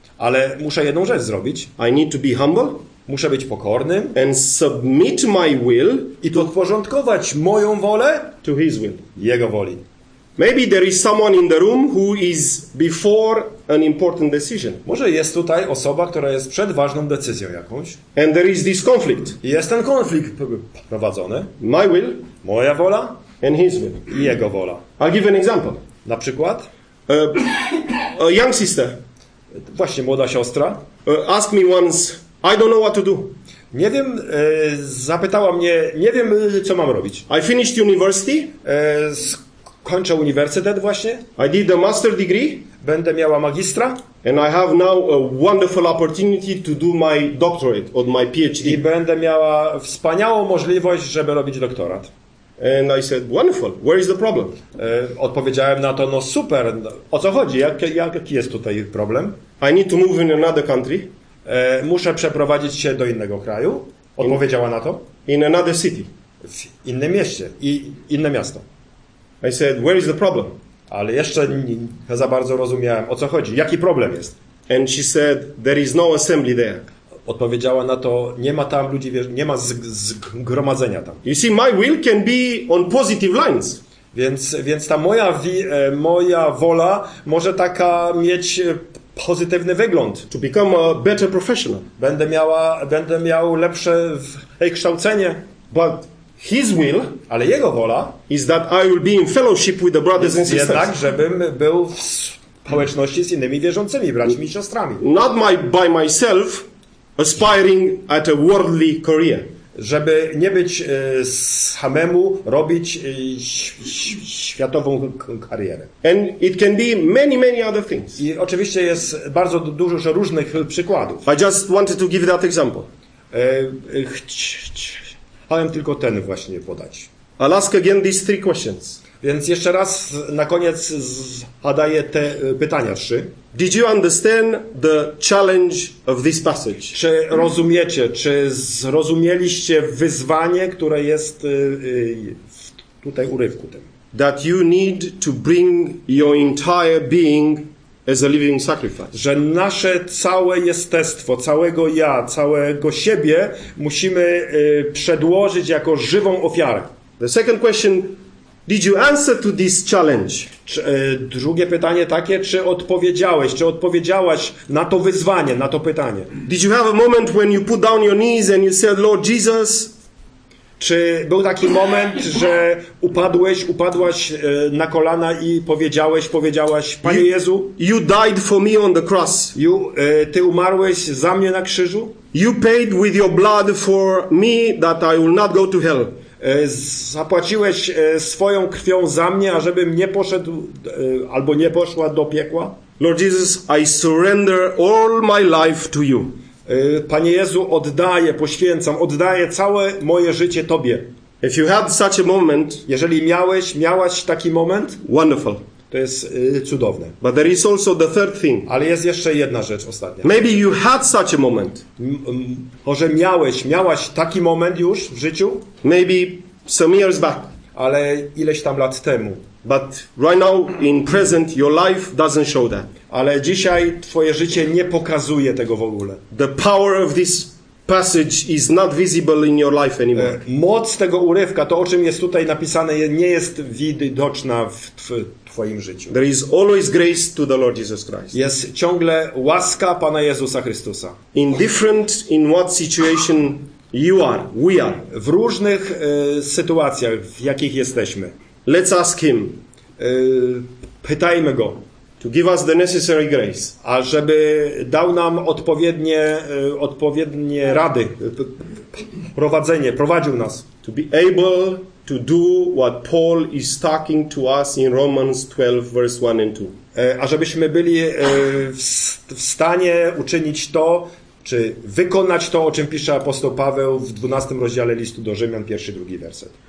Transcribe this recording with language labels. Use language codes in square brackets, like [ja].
[pl] Ale muszę jedną rzecz zrobić. [en] I need to be humble. [pl] Muszę być pokorny. [en] And submit my will, [pl] i podporządkować moją wolę, [en] to his will, [pl] jego woli. [en] Maybe there is someone in the room who is before an important decision. [pl] Może jest tutaj osoba, która jest przed ważną decyzją jakąś. [en] And there is this conflict. [pl] I jest ten konflikt prowadzony. [en] My will, [pl] moja wola, [en] and his will, [pl] i jego wola. [en] I'll give an example. [pl] Na przykład [en] a young sister, [pl] właśnie młoda siostra, [en] ask me once, I don't know what to do. [pl] Nie wiem, zapytała mnie, nie wiem, co mam robić. [en] I finished university. [pl] Kończę uniwersytet właśnie. [en] I did a master degree. [pl] Będę miała magistra. [en] And I have now a wonderful opportunity to do my doctorate or my PhD. [pl] I będę miała wspaniałą możliwość, żeby robić doktorat. [en] And I said, wonderful, where is the problem? [pl] Odpowiedziałem na to, no super, o co chodzi, jaki jest tutaj problem? [en] I need to move in another country. [pl] Muszę przeprowadzić się do innego kraju, odpowiedziała na to. [en] In another city. [pl] W innym mieście i inne miasto. [en] I said, where is the problem? [pl] Ale jeszcze nie za bardzo rozumiałem, o co chodzi, jaki problem jest. [en] And she said, there is no assembly there. [pl] Odpowiedziała na to, nie ma tam ludzi, nie ma zgromadzenia tam. [en] You see, my will can be on positive lines. [pl] Więc ta moja wola może taka mieć pozytywny wygląd. [en] To become a better professional. [pl] Będę miał lepsze kształcenie. [en] But his will, [pl] ale jego wola, [en] is that I will be in fellowship with the brothers and sisters. [pl] Jednak, żebym był w społeczności z innymi wierzącymi, braćmi i siostrami. [en] Not by myself, aspiring at a worldly career. [pl] Żeby nie być samemu, robić światową karierę. [en] And it can be many, many other things. [pl] I oczywiście jest bardzo dużo różnych przykładów. [en] I just wanted to give that example. [pl] Chciałem tylko ten właśnie podać. [en] I'll ask again these three questions. [pl] Więc jeszcze raz na koniec zadaję te pytania trzy. [en] Did you understand the challenge of this passage? [pl] Czy rozumiecie, czy zrozumieliście wyzwanie, które jest tutaj urywku tym? [en] That you need to bring your entire being as a living sacrifice. [pl] Że nasze całe jestestwo, całego ja, całego siebie musimy przedłożyć jako żywą ofiarę. [en] The second question. Did you answer to this challenge? [pl] Drugie pytanie takie, czy odpowiedziałeś, czy odpowiedziałaś na to wyzwanie, na to pytanie? [en] Did you have a moment when you put down your knees and you said, Lord Jesus? [pl] Czy był taki moment, że upadłaś na kolana i powiedziałaś, Panie Jezu? [en] You died for me on the cross. [pl] Ty umarłeś za mnie na krzyżu? [en] You paid with your blood for me that I will not go to hell. [pl] Zapłaciłeś swoją krwią za mnie, ażebym nie poszedł albo nie poszła do piekła. [en] Lord Jesus, I surrender all my life to you. [pl] Panie Jezu, oddaję, poświęcam, oddaję całe moje życie Tobie. [en] If you had such a moment, [pl] jeżeli miałeś, miałaś taki moment, [en] wonderful. [pl] To jest cudowne. [en] But there is also the third thing. [pl] Ale jest jeszcze jedna rzecz ostatnia. [en] Maybe you had such a moment. [pl] Może miałeś, miałaś taki moment już w życiu? [en] Maybe some years back. [pl] Ale ileś tam lat temu. [en] But right now in present your life doesn't show that. [pl] Ale dzisiaj twoje życie nie pokazuje tego w ogóle. [en] The power of this passage is not visible in your life anymore. [pl] Moc tego urywka, to o czym jest tutaj napisane, nie jest widoczna w twoim życiu. [en] There is always grace to the Lord Jesus Christ. [pl] Jest ciągle łaska Pana Jezusa Chrystusa. [en] In different in what situation you are, we are. [pl] W różnych sytuacjach, w jakich jesteśmy. [en] Let's ask him. [pl] Pytajmy go. [en] To give us the necessary grace. [pl] A żeby dał nam odpowiednie rady. Prowadzenie, prowadził nas. [en] To be able to do what Paul is talking to us in Romans 12, verse 1 and 2. [pl] A żebyśmy byli w stanie uczynić to, czy wykonać to, o czym pisze apostoł Paweł w 12 rozdziale listu do Rzymian, pierwszy, drugi werset.